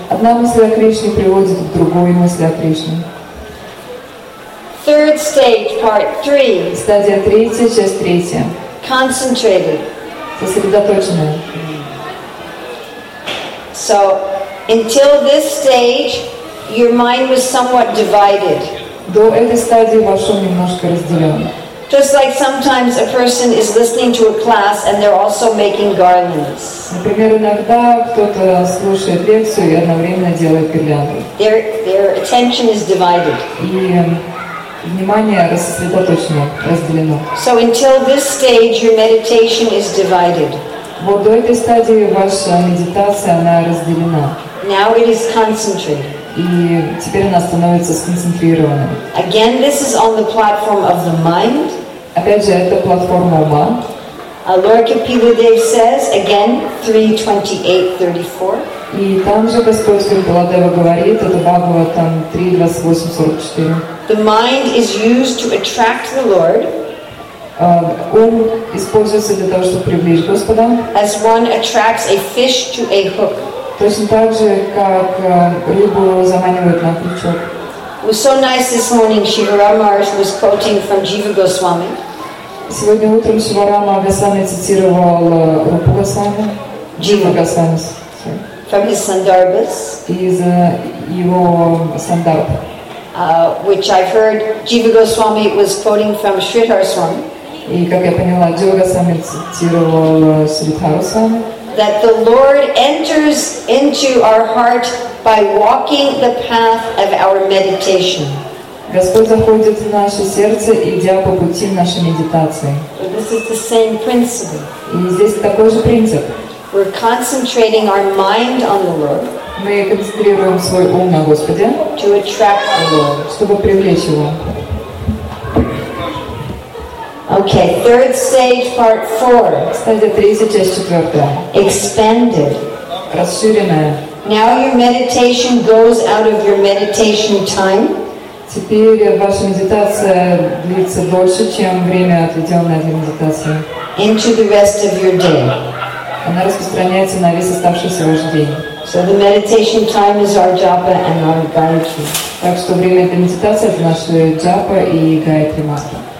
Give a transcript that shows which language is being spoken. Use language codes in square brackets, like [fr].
[ru] Одна мысль о Кришне приводит к другой мысли о Кришне. [en] Third stage, part three. [ru] Стадия третья, часть третья. [en] Concentrated. [ru] Сосредоточенная. [en] So, until this stage, your mind was somewhat divided. [ru] До этой стадии ваш ум немножко разделен. [en] Just like sometimes a person is listening to a class and they're also making garlands. [ru] Например, иногда кто-то слушает лекцию и одновременно делает гирлянду. [en] Their attention is divided. [ru] И внимание сосредоточено, разделено. [en] So until this stage, your meditation is divided. [ru] Вот до этой стадии ваша медитация, она разделена. [en] Now it is concentrated. [ru] И теперь она становится сконцентрированной. [en] Again, this is on the platform of the mind. [ru] Опять же, это платформа ума. [en] Alarka Pilidev says, again, 3:28:34. [ru] И там же Господь Пиладева говорит, это Бхагаватам 3:28:44. [en] The mind is used to attract the Lord. [ru] Ум используется для того, чтобы привлечь Господа. [en] As one attracts a fish to a hook. [ru] Точно так же, как рыбу заманивают на крючок. [en] It was so nice this morning, Shivaram Maharaj was quoting from Jiva Goswami. [ru] Сегодня утром Шиварам Госвами цитировал Рупу Госвами. [en] Jiva Goswami. From his Sandarbhas. [ru] Из его Сандарбха. [en] Which I've heard Jiva Goswami was quoting from Sridhar Swami. [ru] И как я поняла, Jiva Goswami цитировал Sridhar Swami. [en] That the Lord enters into our heart by walking the path of our meditation. [ru] Господь заходит в наше сердце, идя по пути нашей медитации. [en] This is the same principle. [ru] И здесь такой же принцип. [en] We're concentrating our mind on the Lord. [ru] Мы концентрируем свой ум на Господе. [en] To attract the Lord. [ru] Чтобы привлечь его. [en] Okay, third stage, part four. [ru] Стадия третья, часть четвертая. [en] Expanded. [ru] Расширенная. [en] Now your meditation goes out of your meditation time. [ru] Теперь ваша медитация длится дольше, чем время, отведенное для медитации. [en] Into the rest of your day. [ru] Она распространяется на весь оставшийся ваш день. [en] So the meditation time is our japa and our gayatri. [ru] Так что время для медитации — это наша джапа и гайатри мантра.